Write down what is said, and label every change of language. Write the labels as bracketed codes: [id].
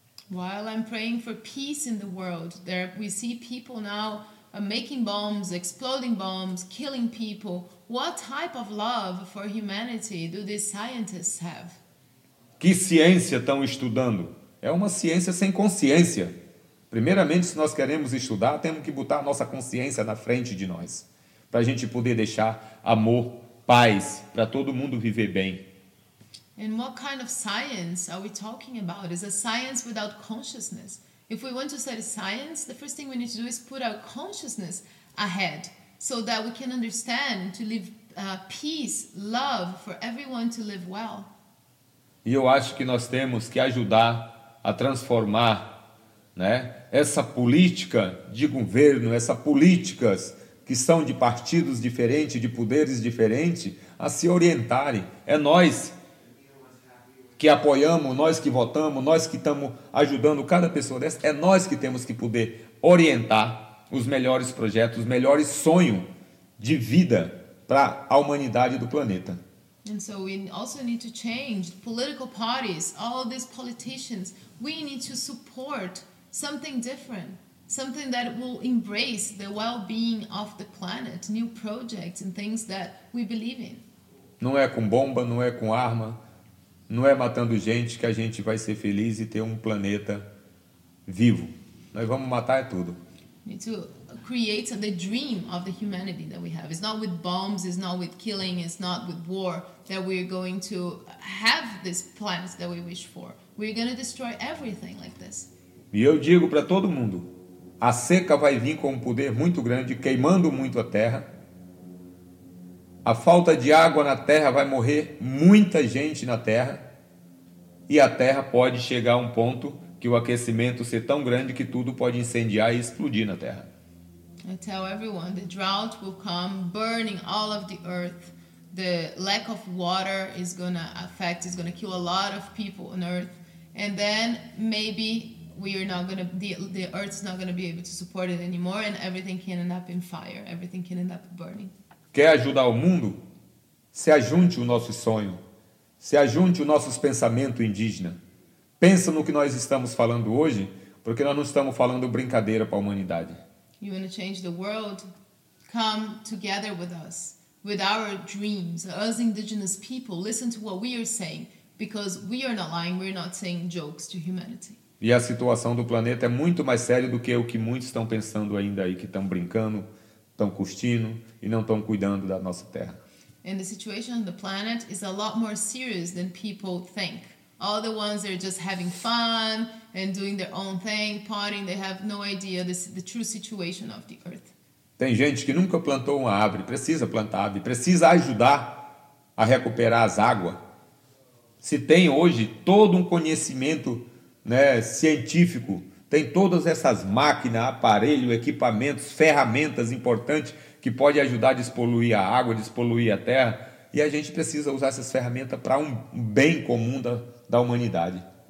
[en] While I'm praying for peace in the world, there we see people now making bombs, exploding bombs, killing people. What type of love for humanity do these scientists have? [pt] Que ciência estão estudando? É uma ciência sem consciência. Primeiramente, se nós queremos estudar, temos que botar a nossa consciência na frente de nós, para a gente poder deixar amor, paz, para todo mundo viver bem. [en] And what kind of science are we talking about? Is a science without consciousness? If we want to study science, the first thing we need to do is put our consciousness ahead, so that we can understand to live peace, love for everyone to live well. [pt] E eu acho que nós temos que ajudar a transformar, né, essa política de governo, essas políticas que são de partidos diferentes, de poderes diferentes, a se orientarem. É nós que apoiamos, nós que votamos, nós que estamos ajudando cada pessoa dessa. É nós que temos que poder orientar os melhores projetos, os melhores sonhos de vida para a humanidade do planeta. [en] And so we also need to change political parties, all these politicians. We need to support something different, something that will embrace the well-being of the planet, new projects and things that we believe in. [pt] Não é com bomba, não é com arma, não é matando gente que a gente vai ser feliz e ter um planeta vivo. Nós vamos matar é tudo. [en] Need to create the dream of the humanity that we have. It's not with bombs, it's not with killing, it's not with war that we're going to have this planet that we wish for. We're going to destroy everything like this. [pt] E eu digo para todo mundo, a seca vai vir com um poder muito grande, queimando muito a terra. A falta de água na terra vai morrer muita gente na terra. E a terra pode chegar a um ponto que o aquecimento ser tão grande que tudo pode incendiar e explodir na terra. [en] I tell everyone, the drought will come, burning all of the earth. The lack of water is going to affect, is going to kill a lot of people on earth. And then maybe we are not going to, the earth is not going to be able to support it anymore, and everything can end up in fire, everything can end up burning. [pt] Quer ajudar o mundo? Se ajunte o nosso sonho. Se ajunte o nosso pensamento indígena. Pensa no que nós estamos falando hoje, porque nós não estamos falando brincadeira para a humanidade. [en] You want to change the world? Come together with us, with our dreams, us indigenous people. Listen to what we are saying, because we are not lying, we're not saying jokes to humanity. [pt] E a situação do planeta é muito mais séria do que o que muitos estão pensando ainda aí, que estão brincando, estão curtindo e não estão cuidando da nossa terra. [en] And the situation on the planet is a lot more serious than people think. All the ones that are just having fun and doing their own thing, partying, they have no idea the true situation of the earth. [pt] Tem gente que nunca plantou uma árvore, precisa plantar árvore, precisa ajudar a recuperar as águas. Se tem hoje todo um conhecimento, né, científico, tem todas essas máquinas, aparelhos, equipamentos, ferramentas importantes que pode ajudar a despoluir a água, despoluir a terra, e a gente precisa usar essas ferramentas para um bem comum da humanidade.